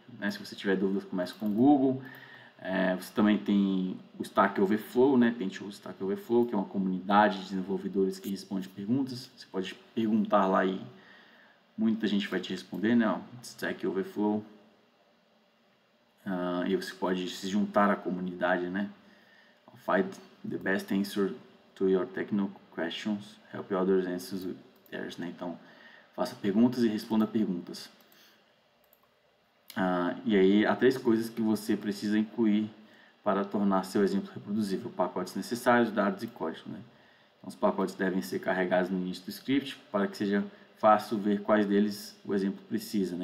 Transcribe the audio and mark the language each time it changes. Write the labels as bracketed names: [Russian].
[Portuguese] Se você tiver dúvidas, comece com o Google. Você também tem o Stack Overflow, né? Tem o Stack Overflow, que é uma comunidade de desenvolvedores que responde perguntas. Você pode perguntar lá e muita gente vai te responder, né? Stack Overflow. E você pode se juntar à comunidade, né? [English] Find the best answer to your technical questions. Help others answer theirs, né? [Portuguese] Então, faça perguntas e responda perguntas. E aí, há três coisas que você precisa incluir para tornar seu exemplo reproduzível: pacotes necessários, dados e código, né? Então, os pacotes devem ser carregados no início do script para que seja fácil ver quais deles o exemplo precisa, né?